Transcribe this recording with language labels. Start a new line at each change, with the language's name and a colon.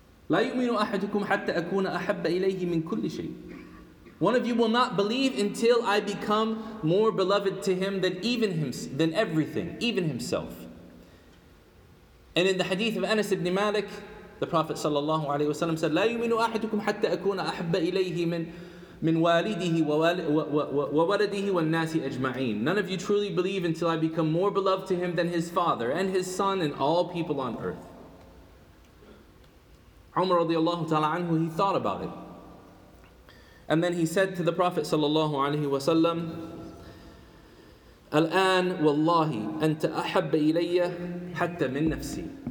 Arabic: لَا يُؤْمِنُ أَحَدُكُمْ حَتَّى أَكُونَ أَحَبَّ إِلَيْهِ مِنْ كُلِّ شَيْءٍ.
English: One of you will not believe until I become more beloved to him than even him, than everything, even himself. And in the hadith of Anas ibn Malik, the Prophet sallallahu alaihi wasallam said,
Arabic: لا يؤمن أحدكم حتى أكون أحب إليه من من والده وولده والناس أجمعين.
English: None of you truly believe until I become more beloved to him than his father and his son and all people on earth. Umar
Arabic: radiallahu ta'ala anhu,
English: he thought about it. And then he said to the Prophet
Arabic: sallallahu alayhi wa sallam, الآن والله أنت أحب إلي حتى من نفسي.